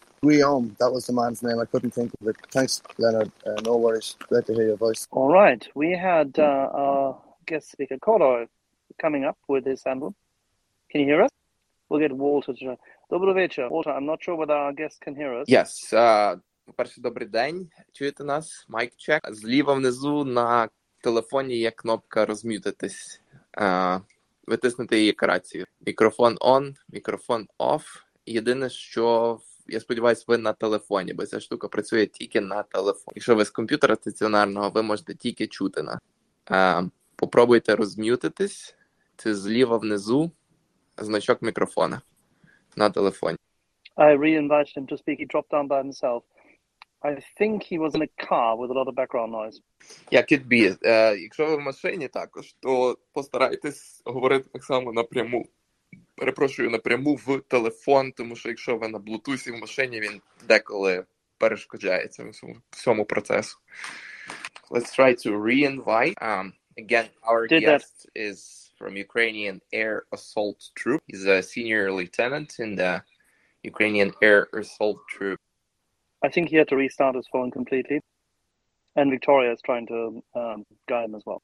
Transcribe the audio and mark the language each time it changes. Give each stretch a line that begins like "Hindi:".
English: Guillaume, that was the man's name. I couldn't think of it. Thanks, Leonard. No worries. Glad to hear your voice. All right. We had our guest speaker, Koro, coming up with his handle. Can you hear us? We'll get Walter to...
Ukrainian: Доброго вечора.
English: Walter, I'm not sure whether our guest can hear us.
Ukrainian: Yes. По-перше, добрий день. Чуєте нас?
English: Mic check.
Ukrainian: Зліва внизу на телефоні є кнопка розмютитись. Витиснути її карацію. Мікрофон on, мікрофон off. Єдине, що я сподіваюся, ви на телефоні, бо ця штука працює тільки на телефоні. Якщо ви з комп'ютера стаціонарного, ви можете тільки чути на. Попробуйте розмютитись. Це зліва внизу значок мікрофона на телефоні.
English: I re-invited him to speak. He dropped down by himself. I think he was in a car with a lot of background noise. Yeah, could be.
Ukrainian: Якщо ви в машині також, то постарайтесь говорити так само напряму. Перепрошую, напряму в телефон, тому що якщо ви на блутузі в машині, він деколи перешкоджає цьому процесу.
English: Let's try to re-invite. Again, our guest is from Ukrainian Air Assault Troop. He's a senior lieutenant in the Ukrainian Air Assault Troop. I think he had to restart his phone completely. And Victoria is trying to guide him as well.